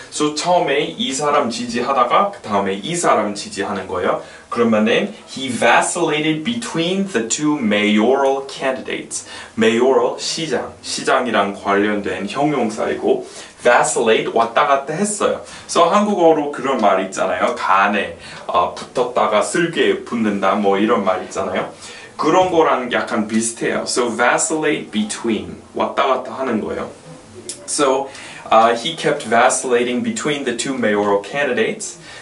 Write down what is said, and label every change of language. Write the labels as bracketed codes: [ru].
[ko] So 처음에 이 사람 지지하다가 그 다음에 이 사람 지지하는 거예요. [en] 그러면은 he vacillated between the two mayoral candidates. [ko] Mayoral 시장, 시장이랑 관련된 형용사이고 vacillate 왔다 갔다 했어요. So 한국어로 그런 말 있잖아요. 간에 붙었다가 슬개 붙는다 뭐 이런 말 있잖아요. 그런 거랑 약간 비슷해요. So vacillate between 왔다 갔다 하는 거예요. [en] So he kept vacillating between the two mayoral candidates.